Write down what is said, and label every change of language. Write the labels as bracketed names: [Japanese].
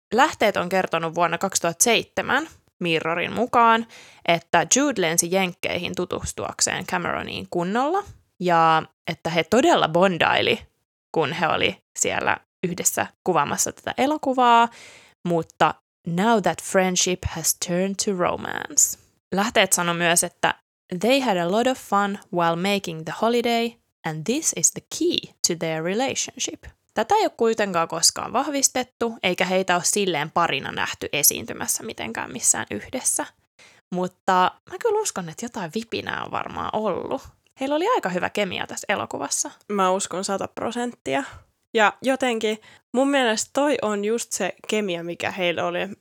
[Finnish] Lähteet on kertonut vuonna 2007 Mirrorin mukaan, että Jude lensi jenkkeihin tutustuakseen Cameroniin kunnolla, ja että he todella bondaili, kun he oli siellä yhdessä kuvaamassa tätä elokuvaa, mutta [English] now that friendship has turned to romance. [Finnish] Lähteet sanoi myös, että [English] they had a lot of fun while making the holiday, and this is the key to their relationship. [Finnish] Tätä ei ole kuitenkaan koskaan vahvistettu, eikä heitä ole silleen parina nähty esiintymässä mitenkään missään yhdessä. Mutta mä kyllä uskon, että jotain vipinää on varmaan ollut. heillä oli aika hyvä kemia tässä elokuvassa. Mä uskon 100%. Ja jotenkin mun mielestä toi on just se kemia, mikä heillä oli.